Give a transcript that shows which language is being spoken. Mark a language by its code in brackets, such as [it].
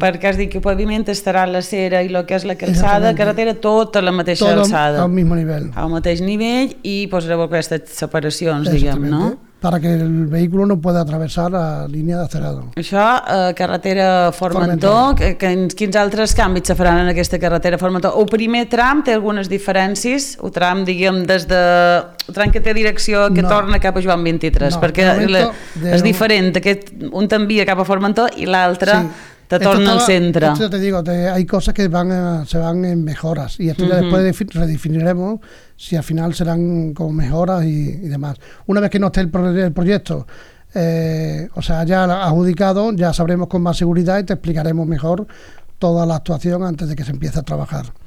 [ca] Perquè has dit que el pavimento estarà la cera i el que és la calçada, carretera, tota la mateixa alçada. Tot al mateix nivell. Al mateix nivell, i posareu aquestes separacions, diguem, no? [es] Para que el vehículo no pueda atravesar la línea de acerado. [ca] Això, carretera Formentor, quins altres canvis se faran en aquesta carretera Formentor? El primer tram té algunes diferències? El tram, diguem, des de... El tram que té direcció que torna cap a Joan 23, perquè és diferent. Un t'envia cap a Formentor i l'altre te torna al centre. [es] Això te digo, hay cosas que se van en mejoras, y esto ya después redefiniremos si al final serán como mejoras y demás. Una vez que no esté el proyecto, ya adjudicado, ya sabremos con más seguridad y te explicaremos mejor toda la actuación antes de que se empiece a trabajar.